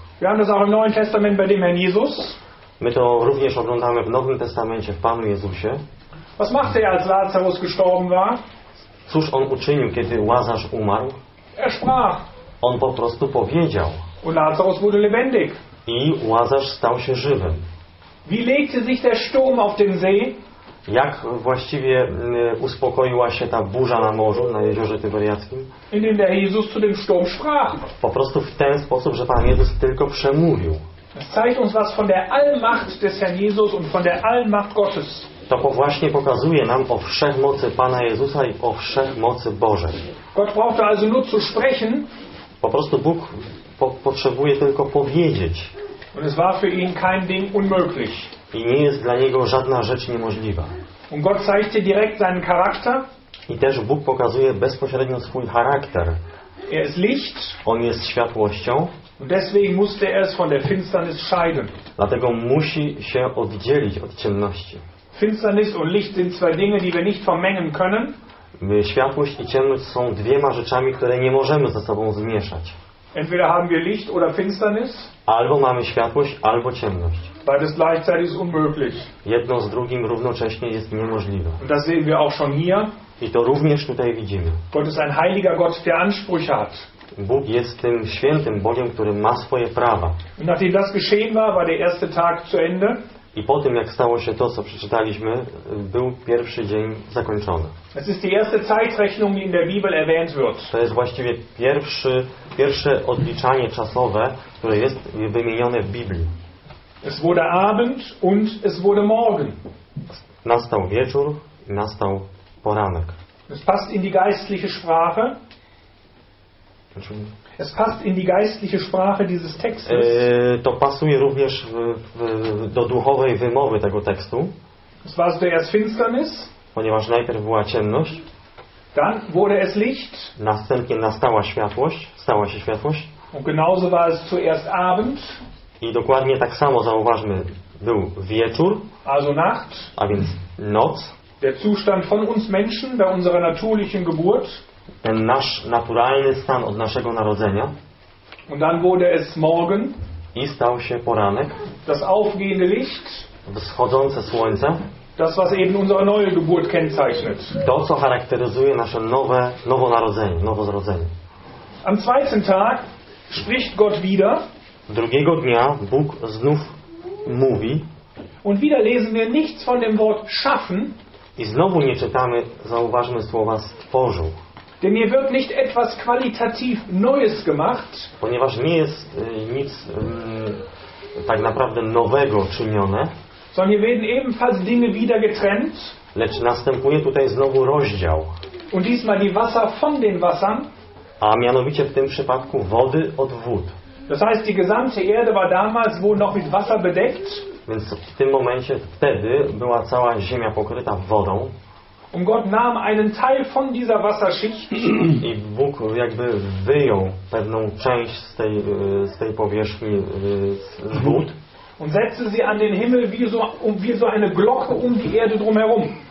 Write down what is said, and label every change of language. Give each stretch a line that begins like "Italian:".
German: Wir haben das auch im Neuen Testament bei dem Herrn Jesus.
Polish: My to również oglądamy w Nowym Testamencie, w Panu Jezusie.
German: Was machte er, als Lazarus gestorben war?
Polish: Cóż on uczynił, kiedy Łazarz umarł?
German: Er sprach.
Polish: On po prostu powiedział.
German: Und Lazarus wurde lebendig.
Polish: I Łazarz stał się żywym.
German: Wie legte sich der Sturm auf dem See?
Polish: Jak właściwie uspokoiła się ta burza na morzu, na jeziorze Tyberiackim?
German: Indem der Jesus zu dem Sturm sprach.
Polish: Po prostu w ten sposób, że Pan Jezus tylko przemówił.
German: Das zeigt uns was von der Allmacht des Herrn Jesus und von der Allmacht Gottes.
Polish: To właśnie pokazuje nam o wszechmocy Pana Jezusa i o wszechmocy Bożej.
German: Gott braucht also nur zu sprechen.
Polish: Po prostu Bóg potrzebuje tylko powiedzieć.
German: Und es war für ihn kein Ding unmöglich.
Polish: I nie jest dla niego żadna rzecz niemożliwa.
German: Und Gott zeigte direkt seinen Charakter.
Polish: I też Bóg pokazuje bezpośrednio swój charakter.
German: Er ist Licht.
Polish: On jest światłością.
German: Und deswegen musste er es von der Finsternis scheiden.
Polish: Dlatego musi się oddzielić od ciemności.
German: Finsternis und Licht sind zwei Dinge, die wir nicht vermengen können.
Polish: Światłość i ciemność są dwiema rzeczami, które nie możemy ze sobą zmieszać.
German: Entweder haben wir Licht oder Finsternis.
Polish: Albo mamy światłość, albo ciemność.
German: Beides gleichzeitig ist unmöglich.
Polish: Jedno z drugim równocześnie jest niemożliwe.
German: Und das sehen wir auch schon hier.
Polish: I to również tutaj widzimy.
German: Gott ist ein heiliger Gott, der Ansprüche hat.
Polish: Bóg jest tym świętym Bogiem, który ma swoje prawa.
German: Und nachdem das geschehen war, war der erste Tag zu Ende.
Polish: I po tym, jak stało się to, co przeczytaliśmy, był pierwszy dzień zakończony.
German: Es ist die erste Zeitrechnung, die in der Bibel erwähnt wird.
Polish: To jest właściwie pierwsze odliczanie czasowe, które jest wymienione w Biblii.
German: Es wurde Abend und es wurde Morgen.
Polish: Nastał wieczór i nastał poranek.
German: Es passt in die geistliche Sprache. Es passt in die geistliche Sprache dieses Textes.
Polish: To pasuje również do duchowej wymowy tego tekstu.
German: Es war zuerst Finsternis.
Polish: Ponieważ najpierw była ciemność.
German: Dann wurde es Licht.
Polish: Następnie nastała światłość. Stała się światłość.
German: Und genauso war es zuerst Abend.
Polish: I dokładnie tak samo, zauważmy, był wieczór.
German: Also Nacht.
Polish: A więc noc.
German: Der Zustand von uns Menschen bei unserer natürlichen Geburt.
Polish: Ten nasz naturalny stan od naszego narodzenia.
German: Und dann wurde es morgen.
Polish: I stał się poranek.
German: Das aufgehende Licht.
Polish: Wschodzące słońce.
German: Das, was eben unsere neue Geburt kennzeichnet.
Polish: To, co charakteryzuje nasze nowonarodzenie, nowo zrodzenie.
German: Am zweiten Tag spricht Gott wieder.
Polish: Drugiego dnia Bóg znów mówi.
German: Und wieder lesen wir nichts von dem Wort schaffen.
Polish: I znowu nie czytamy, zauważmy, słowa stworzył.
German: Denn hier wird nicht etwas qualitativ Neues gemacht.
Polish: Ponieważ nie jest nic tak naprawdę nowego czynione.
German: Sondern hier werden ebenfalls Dinge wieder getrennt.
Polish: Lecz następuje tutaj znowu rozdział.
German: Und diesmal die Wasser von den Wassern.
Polish: A mianowicie w tym przypadku wody od wód.
German: Das heißt, die gesamte Erde war damals wohl noch mit Wasser bedeckt.
Polish: Więc w tym momencie wtedy była cała ziemia pokryta wodą.
German: Und Gott nahm einen Teil von dieser Wasserschicht.
Polish: I Bóg jakby wyjął pewną część z tej powierzchni z wód.
German: Und setzte sie an den Himmel wie so eine Glocke um die Erde drumherum.